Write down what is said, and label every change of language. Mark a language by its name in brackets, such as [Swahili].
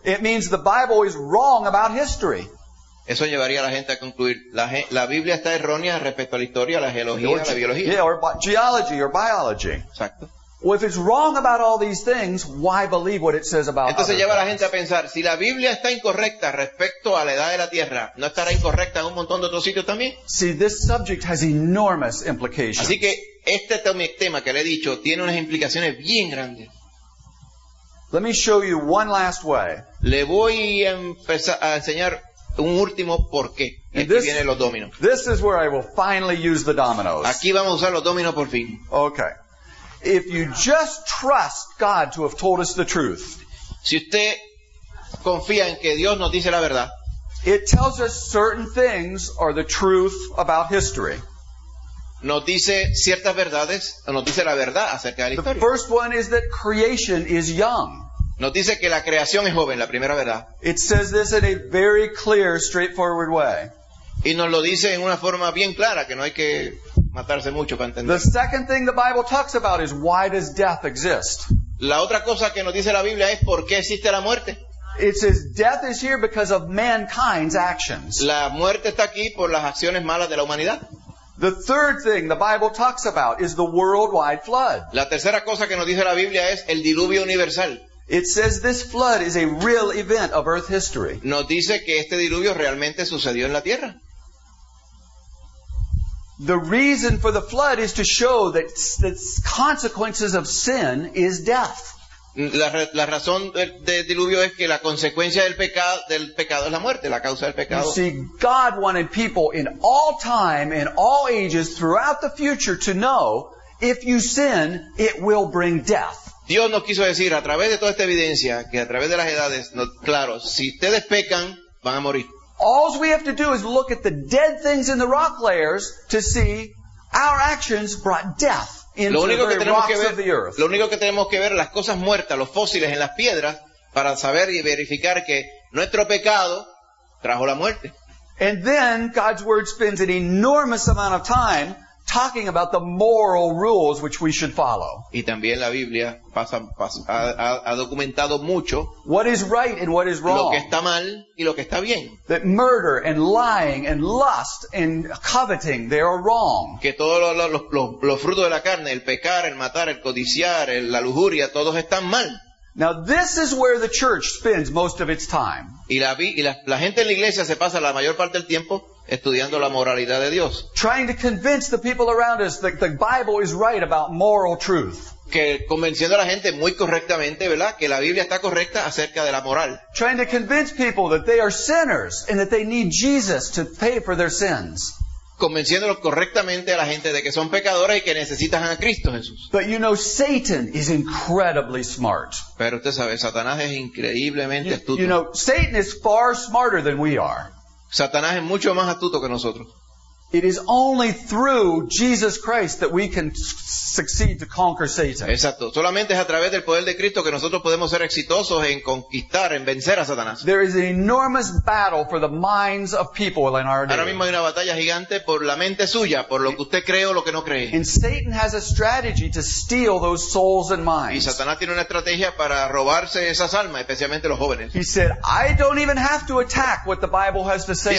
[English] It means the Bible is wrong about history. [Spanish] Eso llevaría a la gente a concluir, la Biblia está errónea respecto a la historia, a la geología, a la biología. [English] Yeah, or geology or biology. [Spanish] Exacto. [English] Well, if it's wrong about all these things, why believe what it says about [Spanish] Entonces lleva a la gente a pensar, si la Biblia está incorrecta respecto a la edad de la Tierra, ¿no estará incorrecta en un montón de otros sitios también? [English] See, this subject has enormous implications. [Spanish] Así que este tema que le he dicho tiene unas implicaciones bien grandes. [English] Let me show you one last way. [Spanish] Le voy a enseñar un último por qué. Aquí vienen los dominos. [English] This is where I will finally use the dominoes. [Spanish] Aquí vamos a usar los dominos por fin. [English] Okay. If you just trust God to have told us the truth. [Spanish] Si usted confía en que Dios nos dice la verdad. [English] It tells us certain things are the truth about history. [Spanish] Nos dice ciertas verdades, o nos dice la verdad acerca de la historia. [English] The first one is that creation is young. [Spanish] Nos dice que la creación es joven, la primera verdad. [English] It says this in a very clear, straightforward way. [Spanish] Y nos lo dice en una forma bien clara, que no hay que matarse mucho para entender. [English] The second thing the Bible talks about is why does death exist? [Spanish] La otra cosa que nos dice la Biblia es por qué existe la muerte. [English] It says death is here because of mankind's actions. [Spanish] La muerte está aquí por las acciones malas de la humanidad. [English] The third thing the Bible talks about is the worldwide flood. [Spanish] La tercera cosa que nos dice la Biblia es el diluvio universal. [English] It says this flood is a real event of Earth history. [Spanish] Nos dice que este diluvio realmente sucedió en la Tierra. [English] The reason for the flood is to show that the consequences of sin is death. [Spanish] La razón del diluvio es que la consecuencia del pecado es la muerte, la causa del pecado. [English] You see, God wanted people in all time, in all ages, throughout the future to know if you sin, it will bring death. [Spanish] Dios nos quiso decir a través de toda esta evidencia que a través de las edades, no, claro, si ustedes pecan, van a morir. [English] All we have to do is look at the dead things in the rock layers to see our actions brought death into the rocks [Spanish] que ver, [English] of the earth. [Spanish] Lo único que tenemos que ver las cosas muertas, los fósiles en las piedras, para saber y verificar que nuestro pecado trajo la muerte. [English] And then God's word spends an enormous amount of time talking about the moral rules which we should follow. [Spanish] Y también la Biblia ha documentado mucho [English] what is right and what is wrong. [Spanish] Lo que está mal y lo que está bien. [English] That murder and lying and lust and coveting, they are wrong. [Spanish] Que todos los frutos de la carne, el pecar, el matar, el codiciar, la lujuria, todos están mal. [English] Now this is where the church spends most of its time. [Spanish] Y la gente en la iglesia se pasa la mayor parte del tiempo estudiando la moralidad de Dios. [English] Trying to convince the people around us that the Bible is right about moral truth. [Spanish] Que convenciendo a la gente muy correctamente, ¿verdad? Que la Biblia está correcta acerca de la moral. [English] Trying to convince people that they are sinners and that they need Jesus to pay for their sins. [Spanish] Convenciéndolos correctamente a la gente de que son pecadores y que necesitan a Cristo Jesús. [English] But you know, Satan is incredibly smart. [Spanish] Pero usted sabe, Satanás es increíblemente astuto. [English] You know, Satan is far smarter than we are. [Spanish] Satanás es mucho más astuto que nosotros. [English] It is only through Jesus Christ that we can succeed to conquer Satan. [Spanish] Exacto. Solamente es a través del poder de Cristo que nosotros podemos ser exitosos en conquistar, en vencer a Satanás. [English] There is an enormous battle for the minds of people in our day. [Spanish] Ahora mismo hay una batalla gigante por la mente suya, por lo que usted cree o lo que no cree. [English] And Satan has a strategy to steal those souls and minds. [Spanish] Y Satanás tiene una estrategia para robarse esas almas, especialmente los jóvenes. [English] He said, "I don't even have to attack what the Bible has to say